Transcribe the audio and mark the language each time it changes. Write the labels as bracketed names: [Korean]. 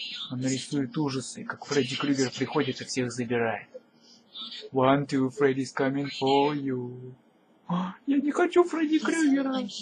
[Russian] Она рисует ужасы, как Фредди Крюгер приходит и всех забирает. [English] One, two, Freddy's coming for you. [Russian] А, я не хочу Фредди Крюгера!